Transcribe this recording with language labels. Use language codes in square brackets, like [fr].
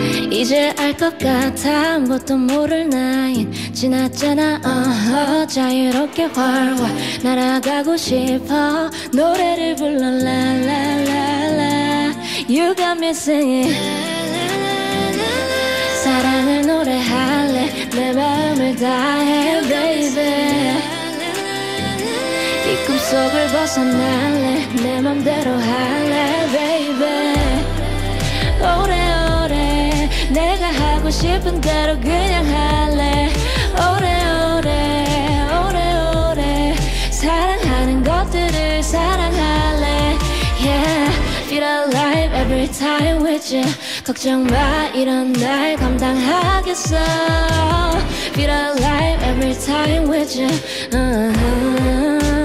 [ko] 이제 알 것 같아 아무것도 모를 나인 지났잖아 uh-huh. 자유롭게 활활 날아가고 싶어 노래를 불러 la la la la [en] You got me singing la, la, la, la, la. [ko] 사랑을 노래할래 내 마음을 다해 baby la, la, la, la, la. 이 꿈속을 벗어날래 내 맘대로 할래 baby 오래 내가 하고 싶은 대로 그냥 할래 오래오래 오래오래 사랑하는 것들을 사랑할래 [en] Yeah, feel alive every time with you [ko] 걱정 마 이런 날 감당하겠어 [en] Feel alive every time with you uh-huh.